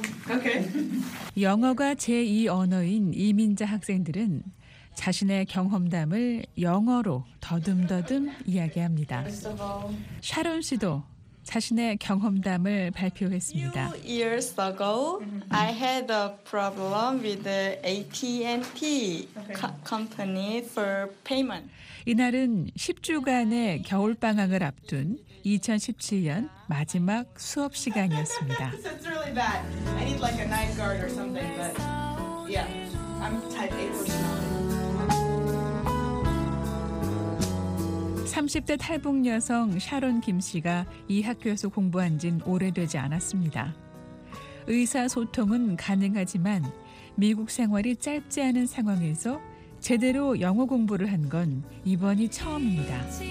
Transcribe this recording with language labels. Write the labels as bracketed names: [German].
[English] Okay. [Korean] 영어가 제2 언어인 이민자 학생들은 자신의 경험담을 영어로 더듬더듬 이야기합니다. 샤론 씨도 자신의 경험담을 발표했습니다. [English] Few years ago, I had a problem with the AT&T company for payment. [Korean] 이날은 10주간의 겨울방학을 앞둔 2017년 마지막 수업 시간이었습니다. [English] It's really bad. I need like a night guard or something, but yeah, I'm type A personal. [Korean] 30대 탈북 여성 샤론 김 씨가 이 학교에서 공부한 지는 오래되지 않았습니다. 의사소통은 가능하지만 미국 생활이 짧지 않은 상황에서 제대로 영어 공부를 한 건 이번이 처음입니다.